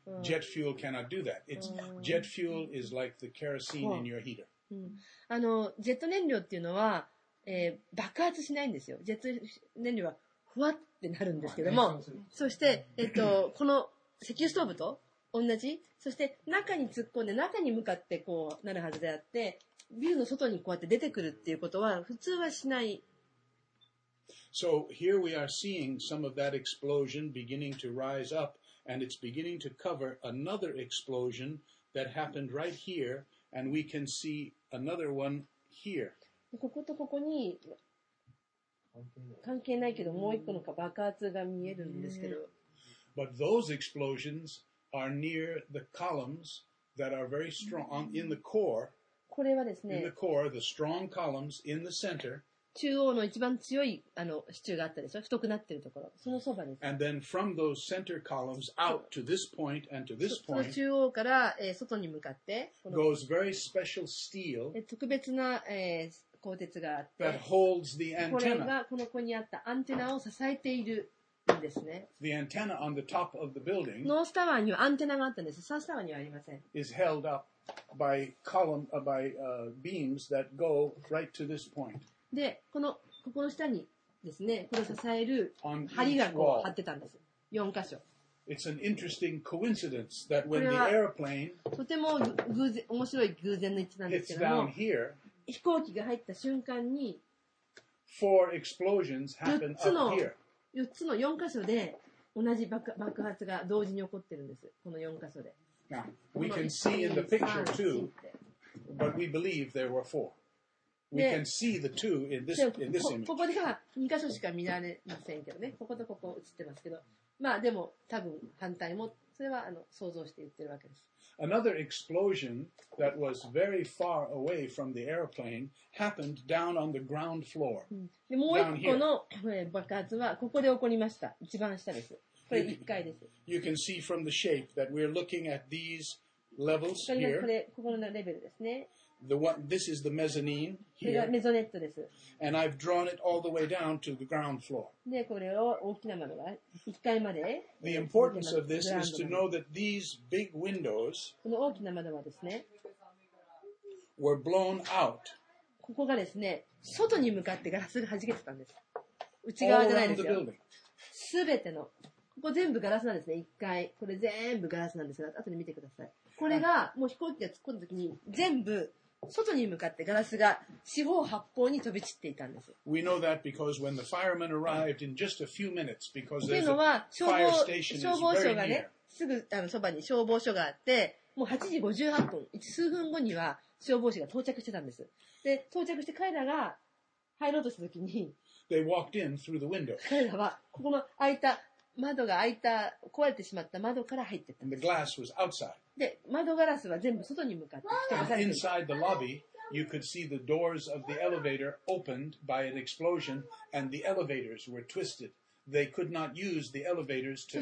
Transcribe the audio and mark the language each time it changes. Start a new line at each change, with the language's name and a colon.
English: Jet fuel cannot do that. Jet fuel is like the kerosene in your heater.
Japanese: ジェット燃料っていうのは、爆発しないんですよ。ジェット燃料はふわってなるんですけども、そして、この石油ストーブと同じ。そして中に突っ込んで中に向かってこうなるはずであって、ビルの外にこうやって出てくるっていうことは普通はしない。
English: So here we are seeing some of that explosion beginning to rise up, and it's beginning to cover another explosion that happened right here, and we can see another one here.
Japanese: こことここに関係ないけどもう一個の爆発が見えるんですけど。
English: But those explosionsare near the columns that are very strong in the core.
Japanese: これはですね。
English: In the core, the strong columns in the center.
Japanese: 中央の一番強い支柱があったでしょ。太くなってるところ。そのそばです。
English: And then from those center columns out to this point and to this point.
Japanese: その中央から外に向かって。
English: Goes very special steel.
Japanese: 特別な鋼鉄があって。
English: That holds the antenna.
Japanese: これがこの子にあったアンテナを支えている。
English: The antenna on the top of the building.
Japanese: ノースタワーにはアンテナがあったんです。サースタワーにはありません。
English: Is held up by column by beams that go right to this point.
Japanese: で、このここの下にですね、これを支える梁がこう張ってたんです。四箇所。
English: It's an interesting coincidence that when the airplane
Japanese: とても偶然面白い偶然の位置なんですけども、飛行機が入った瞬間に、
English: four explosions happen up here.
Japanese: 4つの4箇所で同じ爆発が同時に起こってるんです。この4箇所で。
English: Now, we can see in the picture too, but we believe there were four. We can see the two in this image.
Japanese: ここでは2箇所しか見られませんけどね。こことここ映ってますけど。まあでも多分反対も、それは想像して言ってるわけです。
English: Another explosion that was very far away from the airplane happened down on the ground floor.
Japanese: でもう一個の爆発はここで起こりました。一番下です。これ1階です。
English: You can see from the shape that we're looking at these levels here.
Japanese: これここのレベルですね。
English: This is the mezzanine here.
Japanese: これがメゾネットです。
English: And I've drawn it all the way down to the ground floor.
Japanese: で、これを大きな窓が1階まで。
English: The importance of this is to know that these big windows
Japanese: この大きな窓はですね、
English: were blown out.
Japanese: ここがですね、外に向かってガラスが弾けてたんです。内側じゃないですよ。
English: All around the building.
Japanese: すべての。ここ全部ガラスなんですね、1階。これ全部ガラスなんですが、後で見てください。これがもう飛行機が突っ込んだ時に全部外に向かってガラスが四方八方に飛び散っていたんです。
English: We know that because when the firemen arrived in just a few minutes, because there's a fire station is very near.
Japanese: すぐそばに消防署があって、もう8時58分、数分後には消防士が到着してたんです。で、到着して彼らが入ろうとした時に、
English: They walked in through the window.
Japanese: 彼らはここの空いた窓が開いた、壊れてしまった窓から入っていったんです。
English: The glass was outside.
Japanese: で、窓ガラスは全部外に向かって。
English: Inside the lobby, you could see the doors of the elevator opened by an explosion and the elevators were twisted. They could not use the elevators to help